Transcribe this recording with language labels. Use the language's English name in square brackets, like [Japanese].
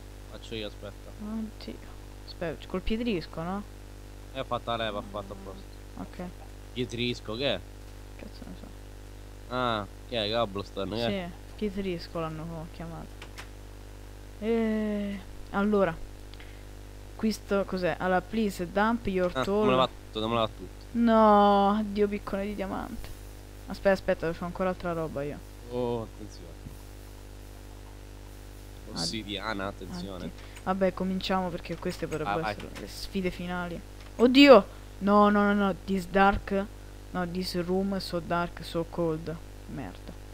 [Italian] Faccio io, aspetta. Oddio. Aspetta, col pietrisco, no? E ho fatto la leva, ho fatto apposta. Ok. Pietrisco, che è? Cazzo ne so. Ah, che è? Cobblestone, che è? Sì, pietrisco l'hanno chiamato. Allora, questo cos'è? [English] Allora, please dump your tool. [Italian] Dammela tutto. No, addio piccone di diamante. Aspetta, devo fare ancora altra roba io. Oh, attenzione. Ossidiana, attenzione. Vabbè, cominciamo perché queste potrebbero essere le sfide finali. [English] Oddio! No, this dark. No, this room so dark, so cold. Merda.